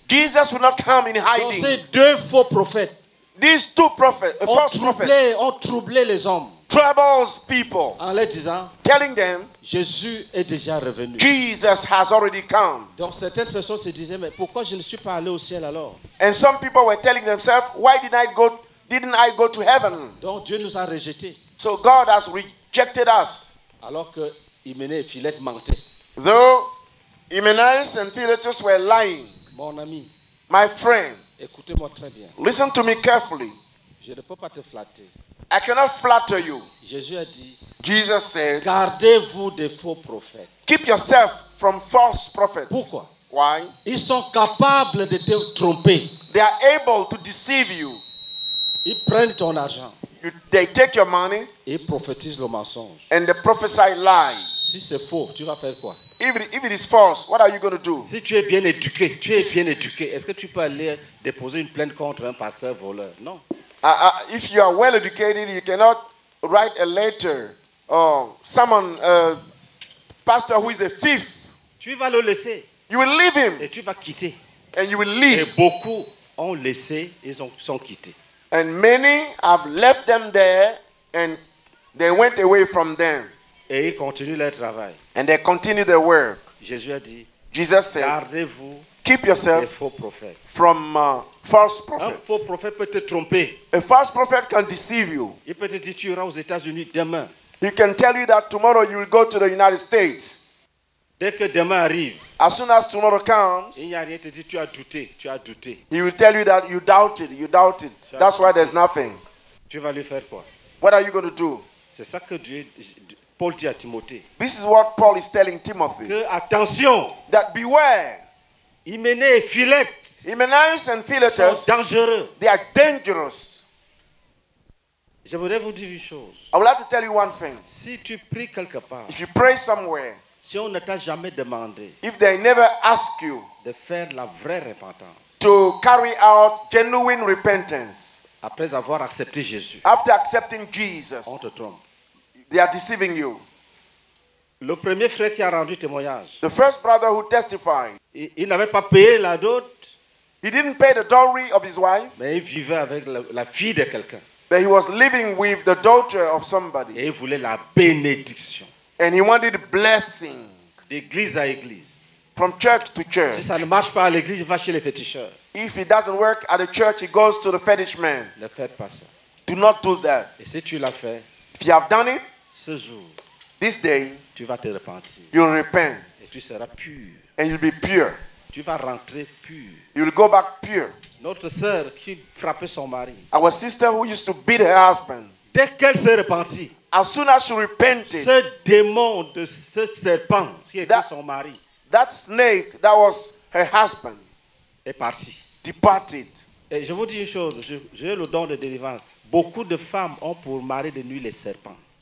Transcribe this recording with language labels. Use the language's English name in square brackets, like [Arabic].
[English] Jesus will not come in hiding. [French] Donc ces deux faux prophètes, [English] these two prophets, [French] ont troublé les hommes, [English] troubles people, [French] en leur disant, [English] telling them, [French] Jésus est déjà revenu. [English] Jesus has already come. [French] Donc certaines personnes se disaient, mais pourquoi je ne suis pas allé au ciel alors? [English] And some people were telling themselves, why didn't I go to heaven? [French] Donc Dieu nous a rejetés. [English] So God has rejected us. [French] Alors que Hyménée et Philète mentaient. [English] Though Hyménée and Philetus were lying. [French] Mon ami. [English] My friend. [French] Écoutez-moi très bien. [English] Listen to me carefully. [French] Je ne peux pas te flatter. [English] I cannot flatter you. [French] Jésus a dit. [English] Jesus said. [French] Gardez-vous des faux prophètes. [English] Keep yourself from false prophets. [French] Pourquoi? [English] Why? [French] Ils sont capables de te tromper. [English] They are able to deceive you. [French] Ils prennent ton argent. [English] They take your money. [French] Ils prophétisent le mensonge. [English] And they prophesy lies. [French] Si c'est faux, tu vas faire quoi? [English] If it is false, what are you going to do? [French] Si tu es bien éduqué, tu es bien éduqué. Est-ce que tu peux aller déposer une plainte contre un pasteur voleur? Non. [English] If you are well educated, you cannot write a letter or summon a pastor who is a thief. [French] Tu vas le laisser. [English] You will leave him. [French] Et tu vas quitter. [English] And you will leave. [French] Et beaucoup ont laissé, ils sont quittés. [English] And many have left them there and they went away from them. [French] Et ils continuent leur travail. [English] And they continue their work. [French] Jésus a dit, [English] Jesus said, [French] gardez-vous, [English] keep yourself [French] des faux prophètes. [English] From false prophets. [French] Un faux prophète peut te tromper. [English] A false prophet can deceive you. [French] Il peut te dire, tu iras aux États-Unis demain. [English] He can tell you that tomorrow you will go to the United States. [French] Dès que demain arrive, [English] as soon as tomorrow comes, [French] il n'y a rien, te dit, tu as douté. [English] He will tell you that you doubted. That's why there's nothing. [French] Tu vas lui faire quoi? [English] What are you going to do? [French] C'est ça que Paul dit à Timothée. [English] This is what Paul is telling Timothy. [French] Que attention. [English] That beware. [French] Hyménée et Philète. [English] Hymenaeus and Philetus. [French] Sont dangereux. [English] They are dangerous. [French] Je voudrais vous dire une chose. [English] I would like to tell you one thing. [French] Si tu pries quelque part, [English] if you pray somewhere, [French] si on ne t'a jamais demandé, [English] if they never ask you, [French] de faire la vraie repentance, [English] to carry out genuine repentance, [French] après avoir accepté Jésus, [English] after accepting Jesus, [French] on te trompe. [English] They are deceiving you. [French] Le premier frère qui a rendu témoignage, [English] the first brother who testified, [French] il n'avait pas payé la dot. [English] He didn't pay the dowry of his wife. [French] Mais il vivait avec la fille de quelqu'un. [English] But he was living with the daughter of somebody. [French] Et il voulait la bénédiction. [English] And he wanted blessing. [French] D'église à église. [English] From church to church. [French] Si ça ne marche pas à l'église, il va chez les féticheurs. [English] If it doesn't work at the church, he goes to the fetish man. [French] Ne faites pas ça. [English] Do not do that. [French] Et si tu l'as fait, [English] if you have done it, [French] ce jour, [English] this day, [French] tu vas te repentir. [English] You'll repent. [French] Et tu seras pur. [English] And you'll be pure. [French] Tu vas rentrer pur. [English] You will go back pure. [French] Notre sœur qui frappait son mari. [English] Our sister who used to beat her husband. [French] Dès qu'elle s'est repentie. [English] As soon as she repented. [French] Ce démon de ce serpent qui était son mari. [English] That snake that was her husband. [French] Est parti. [English] Departed. [French] Et je vous dis une chose. J'ai le don de délivrance. Beaucoup de femmes ont pour mari de nuit les serpents.